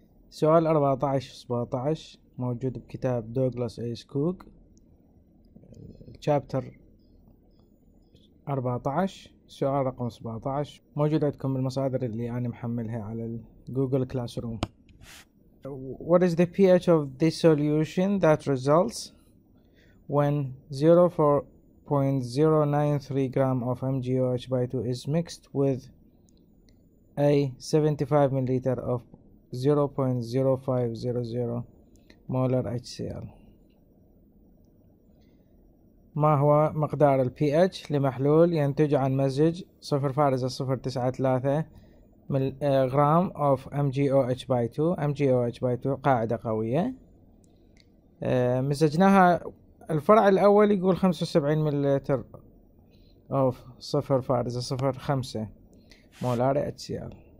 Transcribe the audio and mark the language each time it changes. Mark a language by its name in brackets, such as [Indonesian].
[Arabic] سؤال 14-17 موجود بكتاب دوغلاس ايس كوك، تشابتر 14، سؤال رقم 17، موجود عندكم المصادر اللي أنا محملها على جوجل كلاس روم. [English] What is the pH of this solution that results when 0.093 gram of MgOH by 2 is mixed with a 75 milliliter of 0.0500 molar HCl. [Arabic] ما هو مقدار الـ pH لمحلول ينتج عن مزج 0.093 جرام of MgOH by 2؟ MgOH by 2 قاعدة قوية، مزجناها. الفرع الأول يقول 75 مليلتر of 0.05 مولار HCl.